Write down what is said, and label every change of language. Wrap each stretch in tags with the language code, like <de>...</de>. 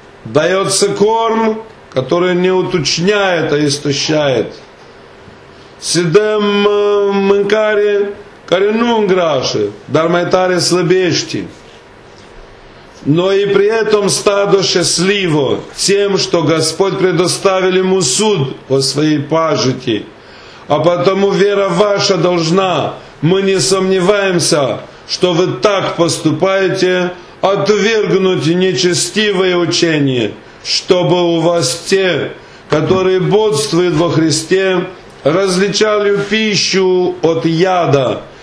<ru>Дается корм, который не уточняет, а истощает.</ru> <ro>Se dă mâncare care nu îngrașă, dar mai tare slăbește.</ro> <ru>Но и при этом стадо счастливо тем, что Господь предоставил ему суд о своей пажити. А потому вера ваша должна, мы не сомневаемся, что вы так поступаете, отвергнуть нечестивое учение, чтобы у вас те, которые бодствуют во Христе, различали пищу от яда,</ru>